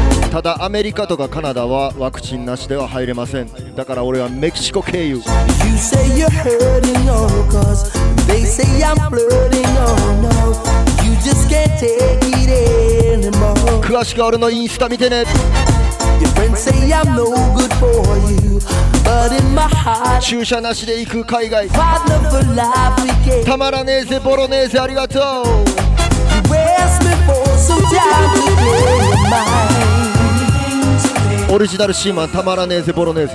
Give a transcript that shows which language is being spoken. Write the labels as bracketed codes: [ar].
[ja] ただアメリカとかカナダはワクチンなしでは入れません。だから俺はメキシコ経由。詳しく俺のインスタ見てね。 [en] Your friends say I'm no good for you, but in my heart, [ja] 注射なしで行く海外。 [en] Partner for life, we can. [ja] たまらねえぜ、ボロネーゼ、ありがとう。 [en] You ask me for some time to play mine. [ja] オリジナルシーマン、たまらねえぜ、ボロネーゼ。